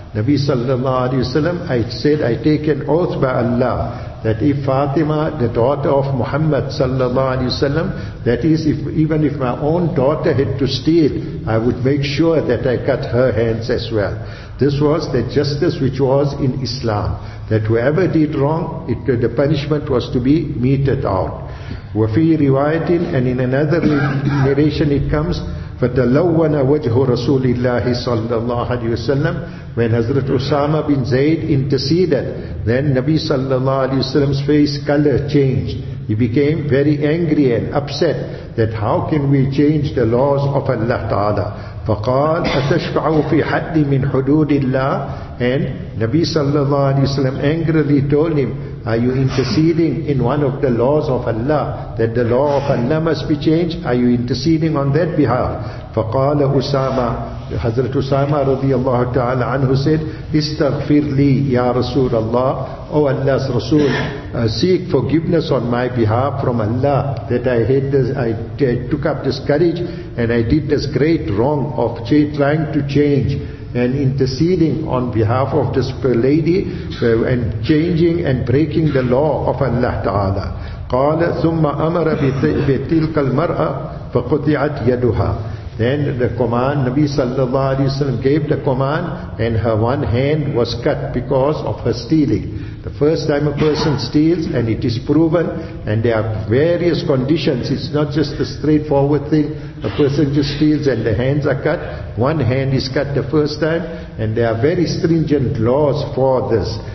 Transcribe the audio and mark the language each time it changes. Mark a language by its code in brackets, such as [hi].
[en] Nabi sallallahu alayhi wa sallam, I said, I take an oath by Allah that if Fatima, the daughter of Muhammad sallallahu alayhi wa sallam, that is, if even if my own daughter had to steal, I would make sure that I cut her hands as well. This was the justice which was in Islam, that whoever did wrong, the punishment was to be meted out. [ar] وَفِي رِوَايَةٍ, [en] and in another narration it comes, [ar] فَتَلَوَّنَ وَجْهُ رَسُولِ اللَّهِ صَلَّى اللَّهُ عَلَيْهِ وَسَلَّمَ. [en] When Hazrat Usama bin Zayd interceded, then Nabi sallallahu alayhi wasallam's face color changed. He became very angry and upset that how can we change the laws of Allah Ta'ala. [ar] فقال أتشفعوا في حد من حدود الله, [en] and Nabi sallallahu alayhi wasallam angrily told him, are you interceding in one of the laws of Allah, that the law of Allah must be changed? Are you interceding on that behalf? [ar] فقال أسامة, [en] Hazrat Usama [ar] رضي الله تعالى عنه [en] said, [ar] استغفر لي يا رسول الله, [en] O Allah's Rasul, seek forgiveness on my behalf from Allah, that I took up this courage and I did this great wrong of trying to change and interceding on behalf of this lady and changing and breaking the law of Allah Ta'ala. [ar] قال ثم أمر بتلك المرأة فقطعت يدها. [en] Then the command, Nabi sallallahu alayhi wa sallam gave the command and her one hand was cut because of her stealing. The first time a person steals and it is proven, and there are various conditions, it's not just a straightforward thing, a person just steals and the hands are cut, one hand is cut the first time, and there are very stringent laws for this.